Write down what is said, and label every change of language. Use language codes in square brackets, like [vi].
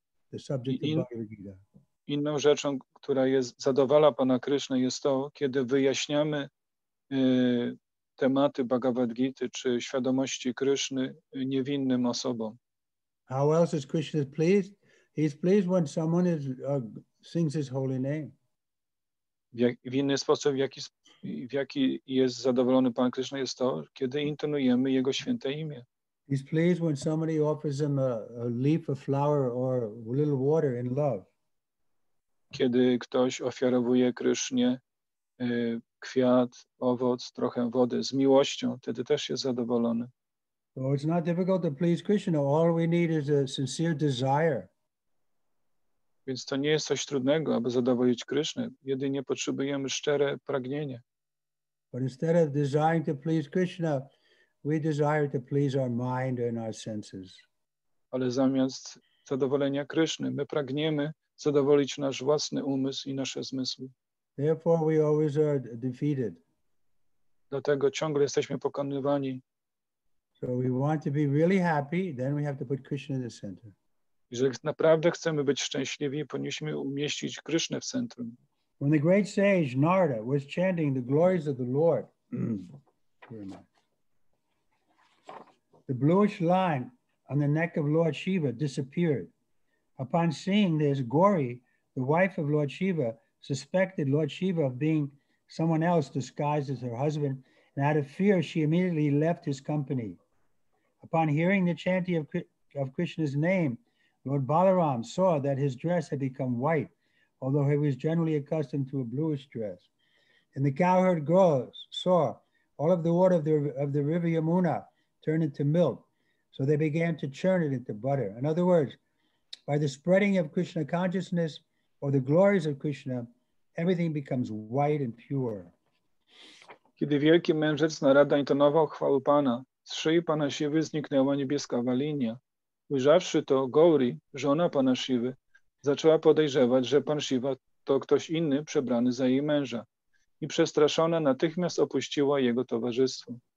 [en] The subject of Bhagavad Gita. [pl] Inną rzeczą, która jest zadowala Pana Krishna, jest to, kiedy wyjaśniamy tematy Bhagavad Gita czy świadomości Kryszny niewinnym osobom. [en] How else is Krishna pleased? He's pleased when someone is sings his holy name. [pl] W inny sposób, w jaki jest zadowolony Pan Krishna, jest to, kiedy intonujemy jego święte imię. [en] He's pleased when somebody offers him a leaf, a flower or a little water in love. [pl] Kiedy ktoś ofiarowuje Krysznie kwiat, owoc, trochę wody z miłością, wtedy też jest zadowolony. [en] So it's not difficult to please Krishna. All we need is a sincere desire. [pl] Więc to nie jest coś trudnego, aby zadowolić Krysznę. Jedynie potrzebujemy szczere pragnienie. [en] But instead of desiring to please Krishna, we desire to please our mind and our senses. [pl] Ale zamiast zadowolenia Krysznę, my pragniemy zadowolić nasz własny umysł i nasze zmysły. [en] Therefore we always are defeated. [pl] Dlatego ciągle jesteśmy pokonywani. [en] So we want to be really happy, then we have to put Krishna in the center. [pl] Jeżeli naprawdę chcemy być szczęśliwi, powinniśmy umieścić Krishna w centrum. [en] When the great sage Narada was chanting the glories of the Lord, the bluish line on the neck of Lord Shiva disappeared. Upon seeing this, Gauri, the wife of Lord Shiva, suspected Lord Shiva of being someone else disguised as her husband, and out of fear, she immediately left his company. Upon hearing the chanting of Krishna's name, Lord Balaram saw that his dress had become white, although he was generally accustomed to a bluish dress. And the cowherd girls saw all of the water of the river Yamuna turn into milk. So they began to churn it into butter. In other words, by the spreading of Krishna consciousness or the glories of Krishna, everything becomes white and pure. [pl] Kiedy wielki mędrzec Narada intonował chwałę Pana, z szyi Pana Siwy zniknęła niebieskawa linia. Ujrzawszy to, Gauri, żona Pana Siwy, zaczęła podejrzewać, że Pan Siwa to ktoś inny przebrany za jej męża i przestraszona natychmiast opuściła jego towarzystwo.